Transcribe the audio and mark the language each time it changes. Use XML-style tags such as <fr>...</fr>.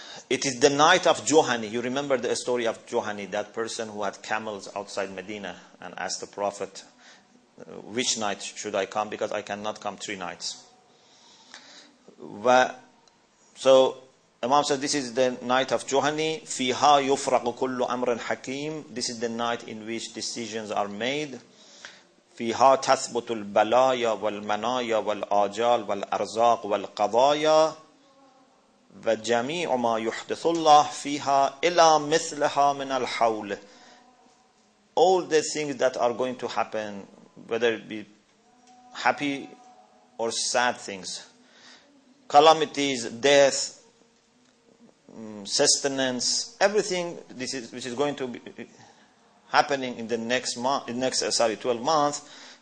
<en>It is the night of Juhani. You remember the story of Juhani, that person who had camels outside Medina and asked the Prophet, which night should I come? Because I cannot come three nights. So Imam said, this is the night of Juhani.</en> <ar>Fiha yufraqu kullu amrin hakim.</ar> <en>This is the night in which decisions are made.</en> <ar>فيها تثبت البلايا والمنايا والآجال والأرزاق والقضايا وجميع ما يحدث الله فيها إلى مثلها من الحول.</ar> <en>All the things that are going to happen, whether it be happy or sad things, calamities, death, sustenance, everything this is, which is going to be happening in the next 12 months,</en>